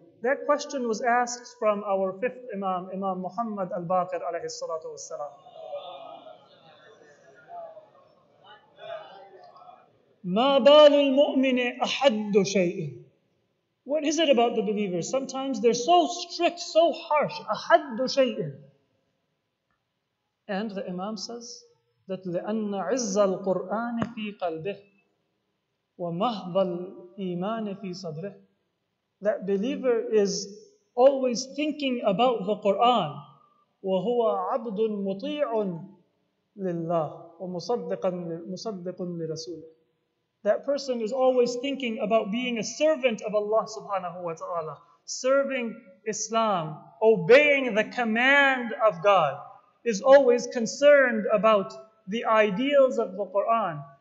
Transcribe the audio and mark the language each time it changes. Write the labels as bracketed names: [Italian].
[English] That question was asked from our fifth Imam, Imam Muhammad al-Baqir alayhi salatu wassalam. [Arabic] مَا بَالُ الْمُؤْمِنِ أَحَدُّ شَيْءٍ. [English] What is it about the believers? Sometimes they're so strict, so harsh. [Arabic] أَحَدُّ شَيْءٍ. [English] And the Imam says that [Arabic] لِأَنَّ عِزَّ الْقُرْآنِ فِي قَلْبِهِ وَمَهْضَ الْإِيمَانِ فِي صَدْرِهِ. [English] That believer is always thinking about the Quran. [Arabic] وَهُوَ عَبْدٌ مُطِيعٌ لِلَّهِ وَمُصَدِّقٌ لِرَسُولِهِ. [English] That person is always thinking about being a servant of Allah subhanahu wa ta'ala, serving Islam, obeying the command of God, is always concerned about the ideals of the Quran.